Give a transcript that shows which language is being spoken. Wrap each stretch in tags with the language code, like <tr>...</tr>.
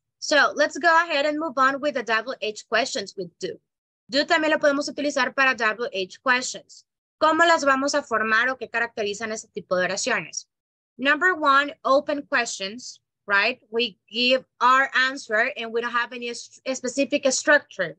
<en>So let's go ahead and move on with the WH questions with do.</en> <es>Do también lo podemos utilizar para WH questions. ¿Cómo las vamos a formar o qué caracterizan ese tipo de oraciones?</es> <en>Number one, open questions, right? We give our answer and we don't have any specific structure.</en>